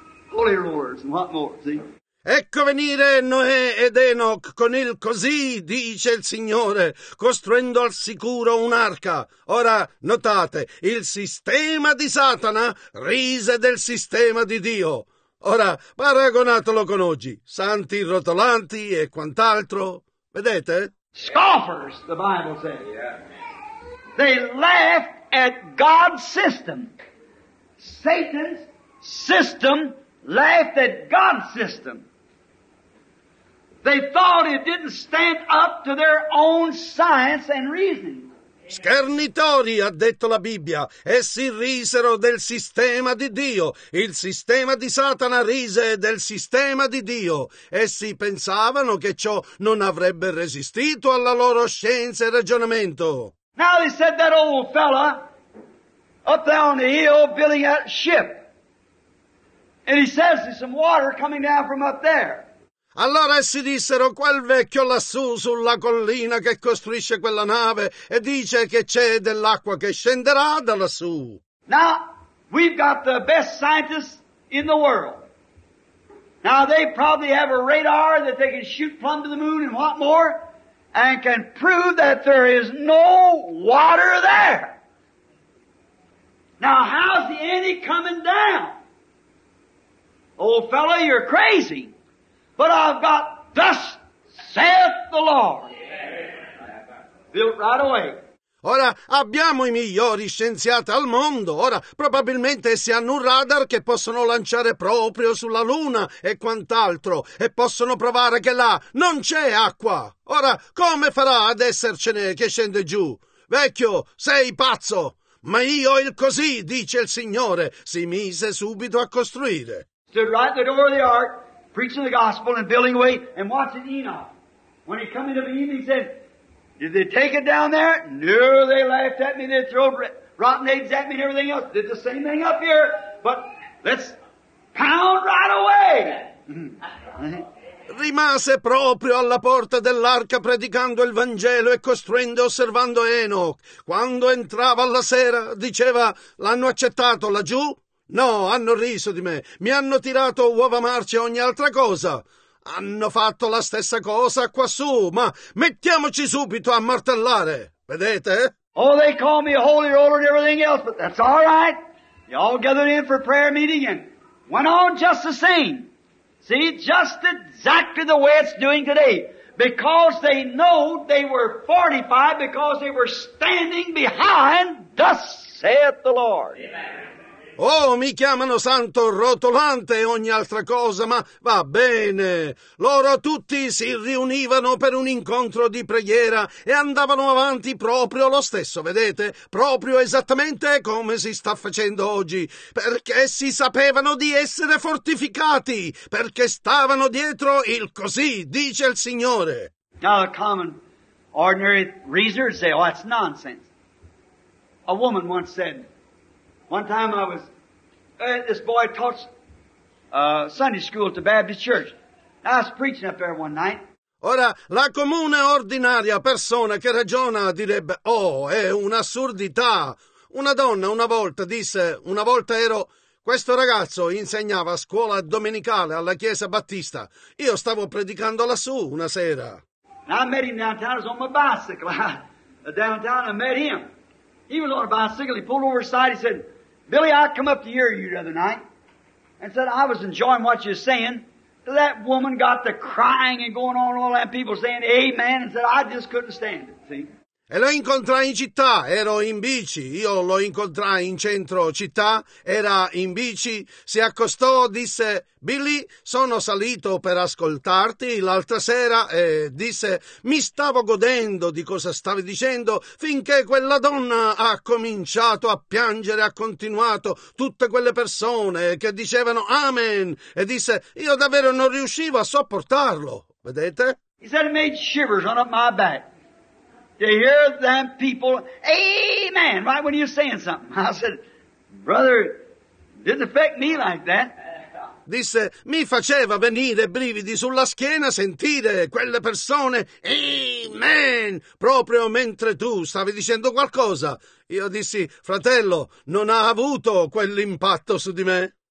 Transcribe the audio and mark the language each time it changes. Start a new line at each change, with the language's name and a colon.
English: Holy roars and what more, see?
Italian: Ecco venire Noè ed Enoch con il così, dice il Signore, costruendo al sicuro un'arca. Ora, notate, il sistema di Satana rise del sistema di Dio. Ora, paragonatelo con oggi, santi rotolanti e quant'altro, vedete?
English: Scoffers, the Bible says. They laugh at God's system. Satan's system laughed at God's system. They thought it didn't stand up to their own science and reasoning.
Italian: Schernitori, ha detto la Bibbia, essi risero del sistema di Dio. Il sistema di Satana rise del sistema di Dio. Essi pensavano che ciò non avrebbe resistito alla loro scienza e ragionamento.
English: Now they said that old fella up there on the hill building a ship. And he says there's some water coming down from up there.
Italian: Allora essi dissero, quel vecchio lassù sulla collina che costruisce quella nave e dice che c'è dell'acqua che scenderà da lassù.
English: Now, we've got the best scientists in the world. Now, they probably have a radar that they can shoot plumb to the moon and what more, and can prove that there is no water there. Now, how's the enemy coming down? Old fellow, you're crazy. But I've got, thus saith the Lord, built right away.
Italian: Ora abbiamo i migliori scienziati al mondo. Ora probabilmente essi hanno un radar che possono lanciare proprio sulla luna e quant'altro e possono provare che là non c'è acqua. Ora come farà ad essercene che scende giù? Vecchio, sei pazzo. Ma io il così, dice il Signore, si mise subito a costruire.
English: Stood right at the door of the ark. Preaching the gospel and building away and watching Enoch. When he came into the evening, he said, did they take it down there? No, they laughed at me. They threw rotten eggs at me and everything else. Did the same thing up here. But let's pound right away.
Italian: Rimase proprio alla porta dell'arca predicando il Vangelo e costruendo e osservando Enoch. Quando entrava alla sera, diceva, l'hanno accettato laggiù? No, hanno riso di me, mi hanno tirato uova marce e ogni altra cosa. Hanno fatto la stessa cosa quassù, ma mettiamoci subito a martellare, vedete?
English: Oh, they call me a holy roller and everything else, but that's all right. You all gathered in for prayer meeting and went on just the same. See, just exactly the way it's doing today. Because they know they were fortified because they were standing behind, thus saith the Lord. Amen.
Italian: Oh, mi chiamano santo rotolante e ogni altra cosa, ma va bene. Loro tutti si riunivano per un incontro di preghiera e andavano avanti proprio lo stesso, vedete? Proprio esattamente come si sta facendo oggi, perché si sapevano di essere fortificati, perché stavano dietro il così, dice il Signore.
English: Now a common, ordinary reasoner say, oh, that's nonsense. A woman once said, one time I was this boy taught Sunday school at the Baptist church. I was preaching up there one night.
Italian: Ora, la comune ordinaria persona che ragiona direbbe, oh, è un'assurdità. Una donna una volta disse, una volta ero, questo ragazzo insegnava a scuola domenicale alla chiesa battista. Io stavo predicando lassù una sera.
English: I met him downtown, I was on my bicycle. Downtown, I met him. He was on a bicycle, he pulled over his side, he said, Billy, I come up to hear you the other night. And said, I was enjoying what you're saying. That woman got the crying and going on all that people saying amen and said I just couldn't stand it, see?
Italian: E lo incontrai in città, ero in bici, io lo incontrai in centro città, era in bici, si accostò, disse, Billy, sono salito per ascoltarti l'altra sera, e disse, mi stavo godendo di cosa stavi dicendo, finché quella donna ha cominciato a piangere, ha continuato, tutte quelle persone che dicevano amen, e disse, io davvero non riuscivo a sopportarlo, vedete?
English: He said it made shivers on up my back. To hear them people, amen, right when you're saying something. I said, brother, didn't affect me like that.
Italian: Disse, mi faceva venire brividi sulla schiena sentire quelle persone, amen, proprio mentre tu stavi dicendo qualcosa. Io dissi, fratello, non ha avuto quell'impatto su di me.